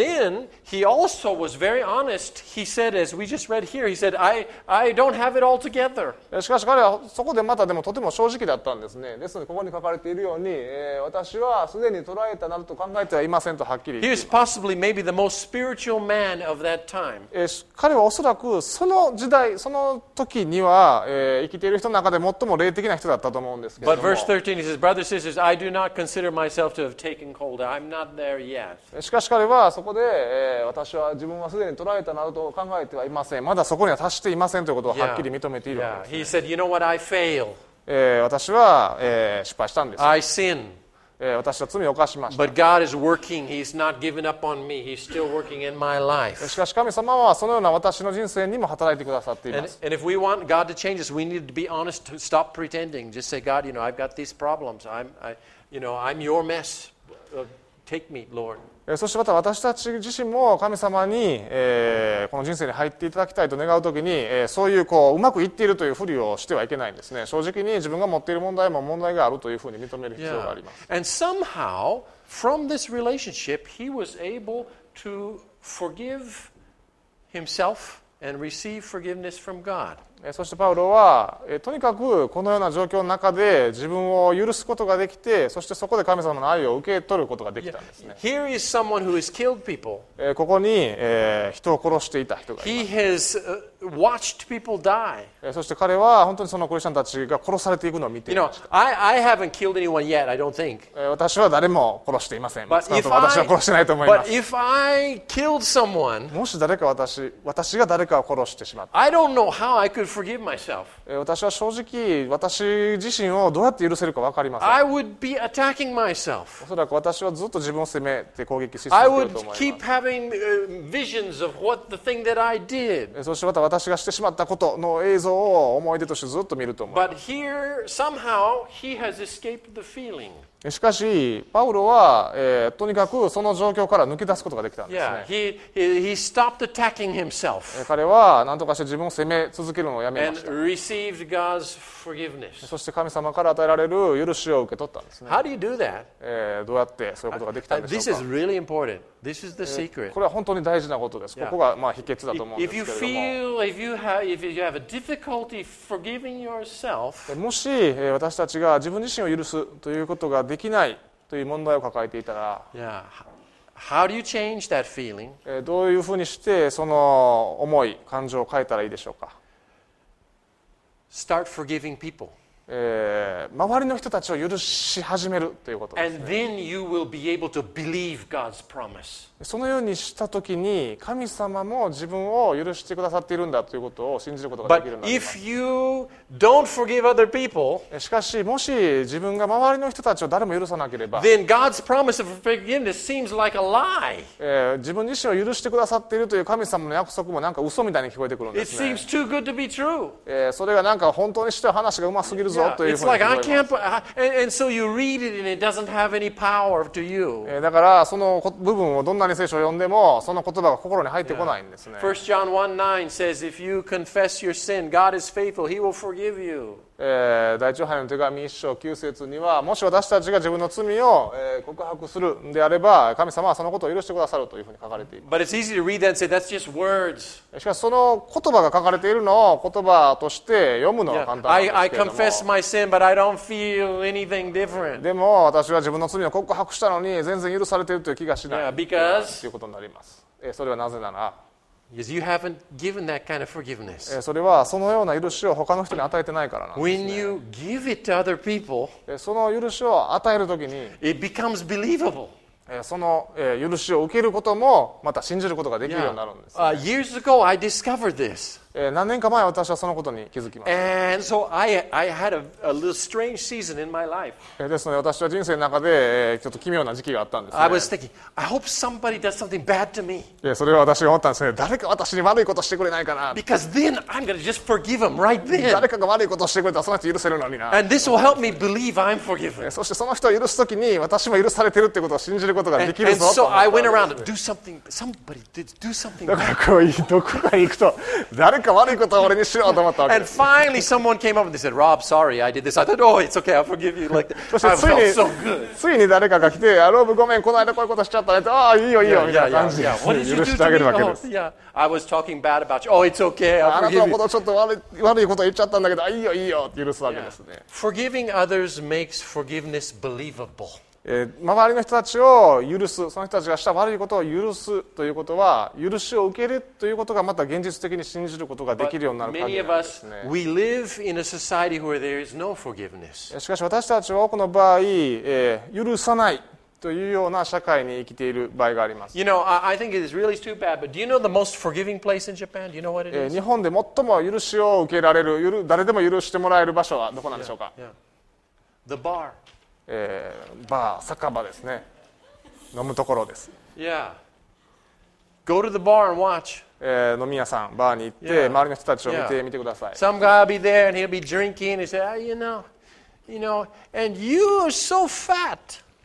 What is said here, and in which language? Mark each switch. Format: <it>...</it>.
<en>Yeah, but then he also was very honest. He said, as we just read here, he said, I don't have it all together.</en> <ja>しかし彼はそこでまたでもとても正直だったんですね。ですのでここに書かれているように、私はすでに捉えたなどと考えてはいませんとはっきり言っています</ja> <en>He is possibly maybe the most spiritual. Man of that time.</en> <ja>彼はおそらくその時代その時には、生きている人の中で最も霊的な人だったと思うんですけども。</ja> <en>But verse 13, he says, "Brothers, sisters, I do not consider myself to have taken hold. I'm not there yet."</en> <ja>しかし彼はそこで、私は自分はすでに捉えたなどと考えてはいません。まだそこには達していませんということをはっきり認めているわけです、ね。 Yeah.</ja> <en>Yeah. He said, "You know what? I fail."</en> <ja>私は、失敗したんです。</ja> <en>I sin.</en> <ja>私は罪を犯しました。</ja> <en>But God is working. He's not giving up on me. He's still working in my life.</en> <ja>しかし神様はそのような私の人生にも働いてくださっています。</ja> <en>And if we want God to change us, we need to be honest. Stop pretending. Just say, God, you know, I've got these problems. I'm your mess. Take me, Lord.</en> <ja>そしてまた私たち自身も神様に、この人生に入っていただきたいと願うときに、そういうこううまくいっているというふりをしてはいけないんですね。正直に自分が持っている問題も問題があるというふうに認める必要があります。</ja> <en>And somehow, from this relationship, he was able to forgive himself and receive forgiveness from God.</en> <ja>そしてパウロは、とにかくこのような状況の中で自分を許すことができて、そしてそこで神様の愛を受け取ることができたんですね。</ja> <en>Here is someone who has killed people.</en> <ja>ここに、人を殺していた人がいます。</ja> <en>He has watched people die.</en> <ja>そして彼は本当にそのクリスチャンたちが殺されていくのを見ていました。</ja> <en>You know, I haven't killed anyone yet, I don't think.</en> <ja>私は誰も殺していません。少なくとも私は殺してないと思います。</ja> <en>But if I killed someone,</en> <ja>もし誰か私が誰かを殺してしまった。</ja> <en>I don't know how I could forgive myself.</en> <ja>私は正直、私自身をどうやって許せるか分かりません。</ja> <en>I would be attacking myself.</en> <ja>おそらく私はずっと自分を責めて攻撃し続けると思います。</ja> <en>I would keep having visions of what the thing that I did.</en> <ja>そして私がしてしまったことの映像を思い出としてずっと見ると思います。</ja> <en>But here, somehow, he has escaped the feeling.</en> <ja>しかし、パウロは、とにかくその状況から抜け出すことができたんですね。</ja> <en>Yeah, he stopped attacking himself.</en> <ja>彼は何とかして自分を責め続けるのをやめました。</ja> <en>And received God's forgiveness.</en> <ja>そして神様から与えられる許しを受け取ったんですね。</ja> <en>How do you do that?</en> <ja>どうやってそういうことができたんでしょうか。</ja> <en>This is really important. This is the secret.</en> <ja>これは本当に大事なことです。ここがまあ秘訣だと思うんですけれども。</ja> <en>if you have a difficulty forgiving yourself,</en> <ja>もし私たちが自分自身を許すということができないという問題を抱えていたら、</ja> <en>How do you change that feeling?</en> <ja>どういうふうにしてその思い、感情を変えたらいいでしょうか。</ja> <en>Start forgiving people.</en> <ja>周りの人たちを許し始めるということです、ね、</ja> <en>And then you will be able to believe God's promise.</en> <ja>そのようにしたときに神様も自分を許してくださっているんだということを信じることができるようになります。</ja> <en>But if you don't forgive other people,</en> <ja>しかしもし自分が周りの人たちを誰も許さなければ</ja> <en>then God's promise of forgiveness seems like a lie.</en> <ja>自分自身を許してくださっているという神様の約束もなんか嘘みたいに聞こえてくるんですね。</ja> <en>It seems too good to be true.</en> <ja>それがなんか本当にしては話がうますぎる。ぞというふうに思います</ja> <en>It's like I can't, and so you read it and it doesn't have any power to you.</en> <ja>だからその部分をどんなに聖書を読んでもその言葉が心に入ってこないんですね。</ja> <en>1 John 1:9 says, if you confess your sin, God is faithful, He will forgive you.</en> <ja>第一ヨハネの手紙1章9節にはもし私たちが自分の罪を告白するんであれば神様はそのことを許してくださるというふうに書かれています。</ja> <en>But it's easy to read that and say, that's just words.</en> <ja>しかしその言葉が書かれているのを言葉として読むのは簡単ですけれども</ja> <en>I confess my sin, but I don't feel anything different.</en> <ja>でも私は自分の罪を告白したのに全然許されているという気がしないということになります。それはなぜなら</ja> <en>Because you haven't given that kind of forgiveness.</en> <ja>それはそのような許しを他の人に与えてないからなんですね。</ja> <en>When you give it to other people,</en> <ja>その許しを与えるときに</ja> <en>it becomes believable.</en> <ja>その許しを受けることもまた信じることができるようになるんです、ね。</ja> <en>Years ago, I discovered this.</en> <ja>何年か前私はそのことに気づきました。</ja> <en>And so I had a little strange season in my life.</en> <ja>ですので私は人生の中でちょっと奇妙な時期があったんですね。</ja> <en>I was thinking, I hope somebody does something bad to me.</en> <ja>それは私が思ったんですね。誰か私に悪いことしてくれないかな。</ja> <en>Because then I'm going to just forgive him right then.</en> <ja>誰かが悪いことをしてくれたらその人許せるのにな。</ja> <en>And this will help me believe I'm forgiven.</en> <ja>そしてその人を許すときに私も許されてるってことを信じる。だからこういうどこかに行くと誰か悪いことは俺にしろと思ったわけです。</ja> <en>And finally someone came up and said, Rob, sorry, I did this. I thought, oh, it's okay, I'll forgive you. Like, I felt so good.</en> <ja>ついに誰かが来て、ロブごめん、この間こういうことしちゃったねと、ああいいよいいよ yeah, みたいな感じで許してあげるわけです。</ja> <en>Yeah, I was talking bad about you. Oh, it's okay, I'll forgive you.</en> <ja>あなたのことちょっと悪いこと言っちゃったんだけど、いいよいいよって許すわけですね。 Yeah.</ja> <en>Forgiving others makes forgiveness believable.</en> <ja>周りの人たちを許す、その人たちがした悪いことを許すということは、許しを受けるということがまた現実的に信じることができるようになる限りなんですね。</ja> <en>We live in a society where there is no forgiveness.</en> <ja>しかし私たちは多くの場合、許さないというような社会に生きている場合があります。</ja> <en>You know, I think it is really too bad, but do you know the most forgiving place in Japan? Do you know what it is?</en> <ja>日本で最も許しを受けられる、誰でも許してもらえる場所はどこなんでしょうか？</ja> <en>The bar.</en> <ja>バー、酒場ですね。飲むところです。</ja> <en>Yeah. Go to the bar and watch.</en> <ja>飲み屋さん、バーに行って、yeah. 周りの人たちを見てみ、yeah. てください。</ja> <en>Some guy will be there and he'll be drinking and say,、oh, you know, and you are so fat.</en>